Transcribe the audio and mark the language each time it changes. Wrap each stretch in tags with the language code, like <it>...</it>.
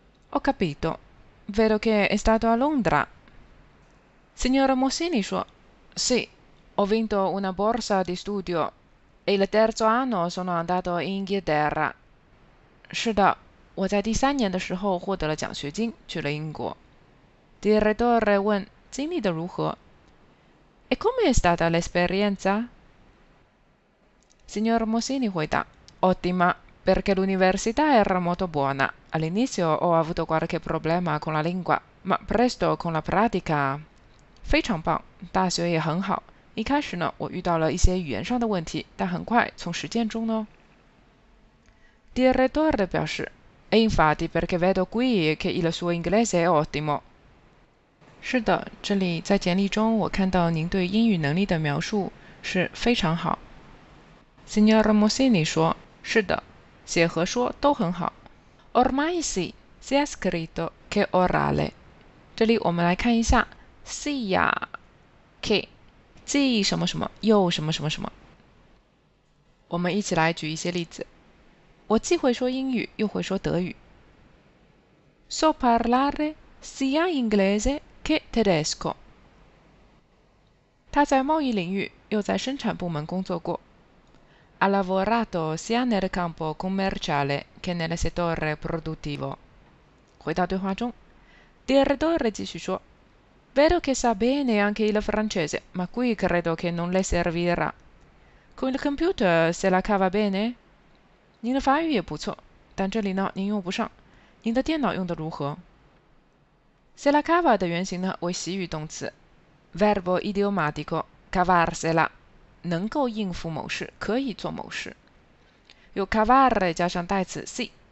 <it>Ho capito, vedo che è stato a Londra.</it> <zh>Signora Mosini 说</zh> <it>Sì, ho vinto una borsa di studio e il terzo anno sono andato in Inghilterra.</it> <zh>是的，我在第三年的时候获得了奖学金，去了英国。 Direttore 问经历的如何。</zh> <it>E come è stata l'esperienza?</it> <zh>Signor Mosini 回答</zh> <it>Ottima, perché l'università era molto buona. All'inizio ho avuto qualche problema con la lingua, ma presto con la pratica...</it> <zh>非常棒，大学也很好。一开始呢，我遇到了一些语言上的问题，但很快从实践中呢。 Direttore 表示</zh> <it>E infatti perché vedo qui che il suo inglese è ottimo.</it> <zh>是的，这里在简历中我看到您对英语能力的描述是非常好。 Signor Mosini 说：“ 是的，写和说都很好。”</zh> <it>Ormai sì, sia scritto che orale。</it> <zh>这里我们来看一下 sia che 既什么什么又什么什么什么。我们一起来举一些例子。我既会说英语又会说德语。</zh> <it>So parlare sia inglese。 che tedesco.</it> <zh>他在贸易领域又在生产部门工作过。</zh> <it>Ha lavorato sia nel campo commerciale che nel settore produttivo.</it> <zh>回到对话中，Direttore 继续说</zh> <it>：“Vedo che sa bene anche il francese, ma qui credo che non le servirà. Con il computer se la cava bene.</it> <zh>您的法语也不错，但这里呢，您用不上。您的电脑用得如何？” Se la cava 的原型呢为习语动词</zh> <it>，verbo idiomatico cavarsela，</it> <zh>能够应付某事，可以做某事。有 cavare 加上代词 si</zh>